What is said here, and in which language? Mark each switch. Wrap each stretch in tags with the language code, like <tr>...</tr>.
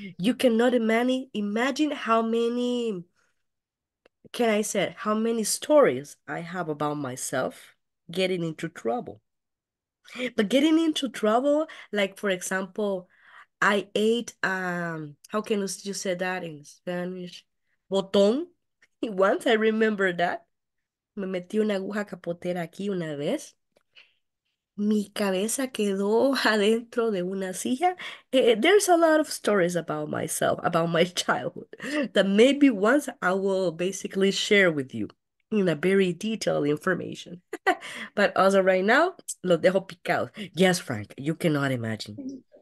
<en>You cannot imagine how many, can I say, how many stories I have about myself getting into trouble. But getting into trouble, like for example, I ate, how can you say that in Spanish? Botón. Once I remember that.</en> <es>Me metí una aguja capotera aquí una vez. Mi cabeza quedó adentro de una silla.</es> <en>There's a lot of stories about myself, about my childhood, that maybe once I will basically share with you in a very detailed information. But as of right now,</en> <es>lo dejo picado.</es> <en>Yes, Frank, you cannot imagine.</en>